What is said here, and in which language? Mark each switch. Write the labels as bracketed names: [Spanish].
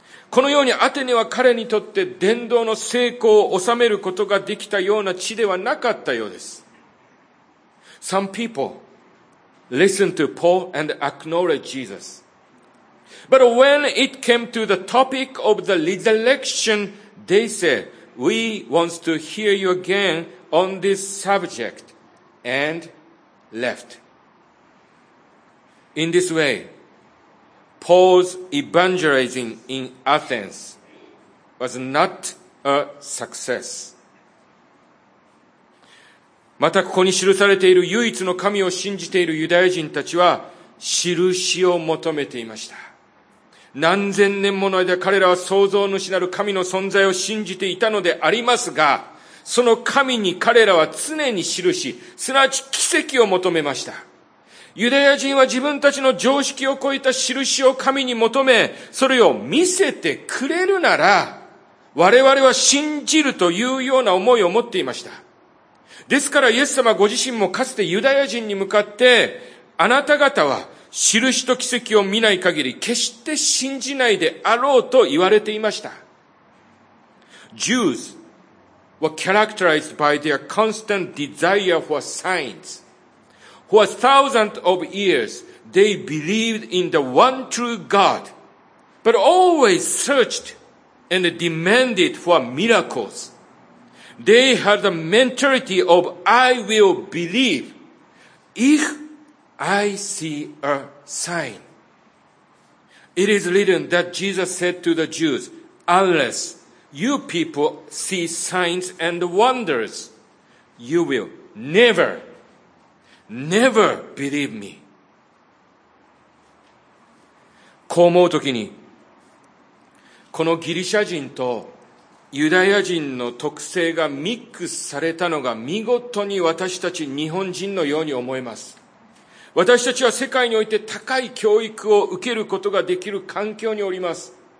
[Japanese] このようにアテネは彼にとって伝道の成功を収めることができたような地ではなかったようです。 [English] Some people listen to Paul and acknowledge Jesus. But when it came to the topic of the resurrection, they said, We want to hear you again on this subject and left. In this way,Paul's evangelizing in Athens was not a success. [Japanese] またここに記されている唯一の神を信じているユダヤ人たちは印を求めていました。何千年もの間彼らは創造主なる神の存在を信じていたのでありますが、その神に彼らは常に印、すなわち奇跡を求めました。ユダヤ人は自分たちの常識を超えた印を神に求め、それを見せてくれるなら、我々は信じるというような思いを持っていました。ですからイエス様ご自身もかつてユダヤ人に向かって、あなた方は印と奇跡を見ない限り決して信じないであろうと言われていました。 [English] Jews were characterized by their constant desire for signs. For thousands of years, they believed in the one true God, but always searched and demanded for miracles. They had the mentality of, I will believe if I see a sign. It is written that Jesus said to the Jews, unless you people see signs and wonders, you will never believe. Never believe me. [Japanese] こう思うときに、このギリシャ人とユダヤ人の特性がミックスされたのが見事に私たち日本人のように思えます。私たちは世界において高い教育を受けることができる環境におります。